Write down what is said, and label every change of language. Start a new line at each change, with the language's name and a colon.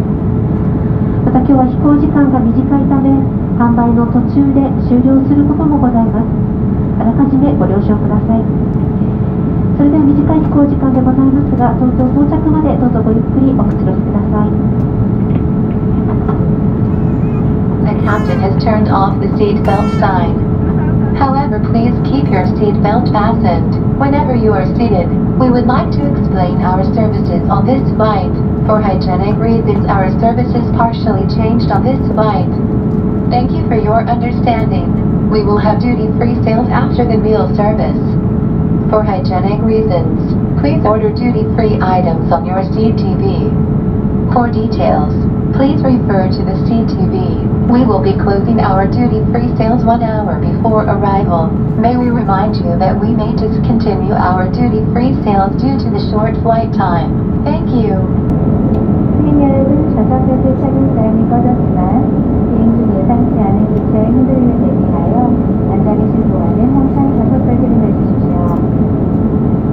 Japanese: また今日は飛行時間が短いため、販売の途中で終了することもございます。あらかじめご了承ください。それでは短い飛行時間でございますが、東京到着までどうぞごゆっくりおくつろぎください。
English: Captain has turned off the seat belt sign. However, please keep your seat belt fastened. Whenever you are seated, we would like to explain our services on this flight. For hygienic reasons, our services partially changed on this flight. Thank you for your understanding. We will have duty-free sales after the meal service. For hygienic reasons, please order duty-free items on your seat TV. For details, please refer to the seat TV. We will be closing our duty-free sales 1 hour before arrival. May we remind you that we may discontinue our duty-free sales due to the short flight time. Thank you.
Korean: 승객 여러분, 좌석 벨트 착용 사양이 꺼졌지만 비행 중 예상치 않은 기체 흔들림을 대비하여 앉아 계신 동안은 항상 좌석 벨트를 매주십시오.